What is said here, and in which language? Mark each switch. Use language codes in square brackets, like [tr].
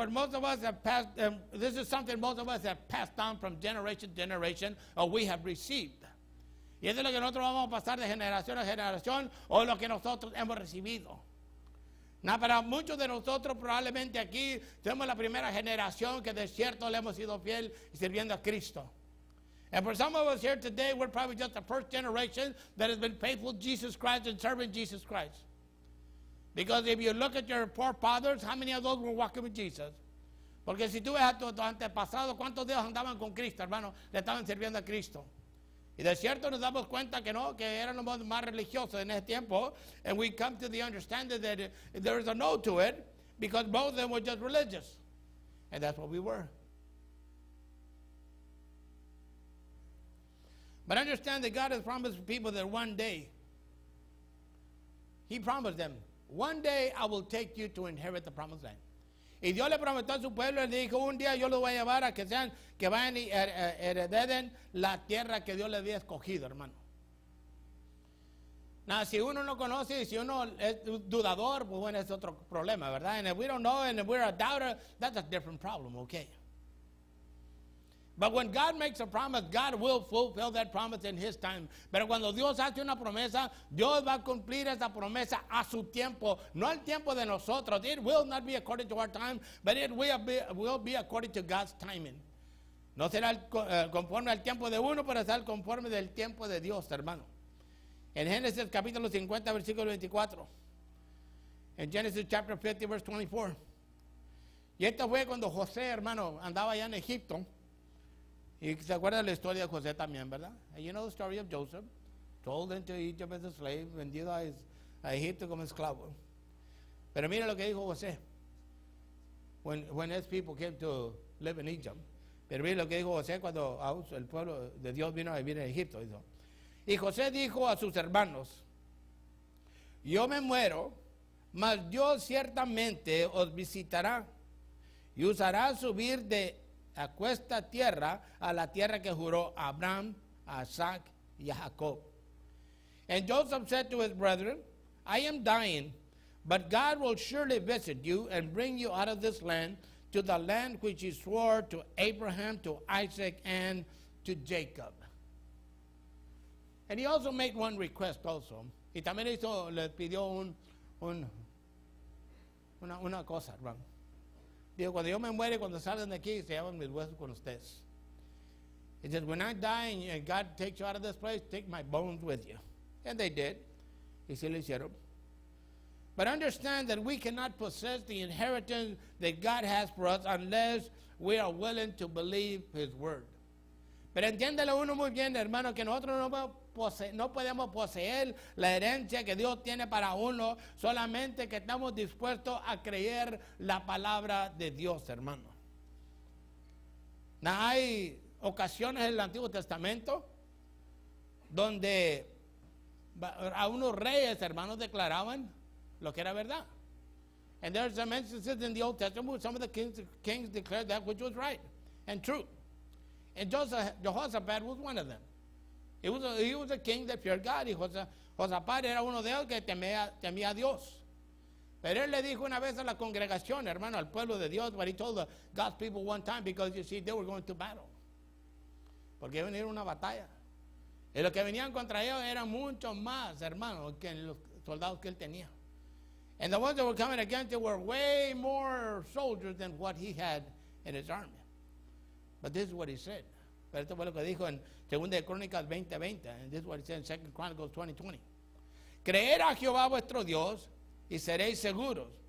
[en] This is something most of us have passed down from generation to generation, or we have received. [es] Y eso es lo que nosotros vamos a pasar de generación a generación, o lo que nosotros hemos recibido. Now, para muchos de nosotros, probablemente aquí, somos la primera generación que de cierto le hemos sido fiel sirviendo a Cristo. [en] And for some of us here today, we're probably just the first generation that has been faithful to Jesus Christ and serving Jesus Christ. Because if you look at your forefathers, how many of those were walking with Jesus? [es] Porque si tú ves a tu antepasado, ¿cuántos de ellos andaban con Cristo, hermano? Le estaban sirviendo a Cristo. Y de cierto nos damos cuenta que no, que eran los más religiosos en ese tiempo. [en] And we come to the understanding that there is a no to it, because both of them were just religious. And that's what we were. But understand that God has promised people that one day, he promised them, one day I will take you to inherit the promised land. [es] Y Dios le prometió a su pueblo y le dijo, un día yo lo voy a llevar a que sean, que vayan y hereden la tierra que Dios le había escogido, hermano. Now, si uno no conoce, si uno es dudador, pues bueno, es otro problema, ¿verdad? [en] And if we don't know, and if we're a doubter, that's a different problem, okay? But when God makes a promise, God will fulfill that promise in his time. [es] Pero cuando Dios hace una promesa, Dios va a cumplir esa promesa a su tiempo, no al tiempo de nosotros. [en] It will not be according to our time, but it will be according to God's timing. [es] No será conforme al tiempo de uno, pero será conforme del tiempo de Dios, hermano. En Génesis capítulo 50, versículo 24. En Génesis [en] chapter 50, verse 24. [es] Y esto fue cuando José, hermano, andaba allá en Egipto. Y se acuerda la historia de José también, ¿verdad? [en] And you know the story of Joseph. Told into Egypt as a slave, [es] vendido a Egipto como esclavo. Pero mira lo que dijo José. [en] When his people came to live in Egypt. [es] Pero mira lo que dijo José cuando el pueblo de Dios vino a vivir en Egipto. Dijo. Y José dijo a sus hermanos, yo me muero, mas Dios ciertamente os visitará y os hará subir de a cuesta tierra a la tierra que juró Abraham, Isaac y Jacob. [en] And Joseph said to his brethren, I am dying, but God will surely visit you and bring you out of this land to the land which he swore to Abraham, to Isaac, and to Jacob. And he also made one request also. [es] Y también hizo, le pidió una cosa, hermano. Digo, cuando yo me muere, cuando salgan de aquí, se llevan mis huesos con ustedes. [en] He says, when I die and God takes you out of this place, take my bones with you. And they did. [es] Y sí lo hicieron. [en] But understand that we cannot possess the inheritance that God has for us unless we are willing to believe his word. [es] Pero entiéndelo uno muy bien, hermano, que nosotros no podemos poseer la herencia que Dios tiene para uno solamente que estamos dispuestos a creer la palabra de Dios, hermano. Now, hay ocasiones en el Antiguo Testamento donde a unos reyes, hermanos, declaraban lo que era verdad. [en] And there's some instances in the Old Testament where some of the kings declared that which was right and true. And Jehoshaphat was one of them. He was a king that feared God. [es] Y Jehoshaphat era uno de ellos que temía a Dios. Pero él le dijo una vez a la congregación, hermano, al pueblo de Dios, [en] but he told the God's people one time because, you see, they were going to battle. [es] Porque iban a ir a una batalla. Y los que venían contra ellos eran mucho más, hermano, que los soldados que él tenía. [en] And the ones that were coming against him were way more soldiers than what he had in his army. But this is what he said. [es] Pero esto fue lo que dijo en Segunda de Crónicas 20:20. [en] And this is what he said in Second Chronicles 20:20. [es] Creer a Jehová vuestro Dios y seréis seguros.